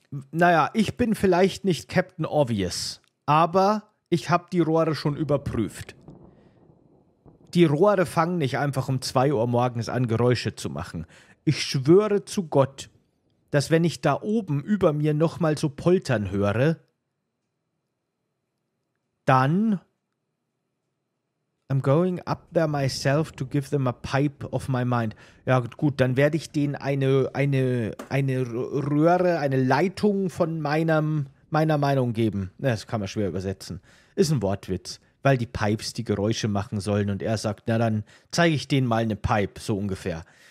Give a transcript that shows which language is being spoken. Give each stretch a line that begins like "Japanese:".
German: Naja, ich bin vielleicht nicht Captain Obvious, aber ich habe die Rohre schon überprüft. die Rohre fangen nicht einfach um 2 Uhr morgens an, Geräusche zu machen. Ich schwöre zu Gott, dass wenn ich da oben über mir nochmal so poltern höre, dann...
English: I'm going up there myself to give them a pipe of my mind.
German: Ja gut, dann werde ich denen eine Röhre, eine Leitung von meiner Meinung geben. Das kann man schwer übersetzen. Ist ein Wortwitz, weil die Pipes die Geräusche machen sollen. Und er sagt, na dann zeige ich denen mal eine Pipe, so ungefähr.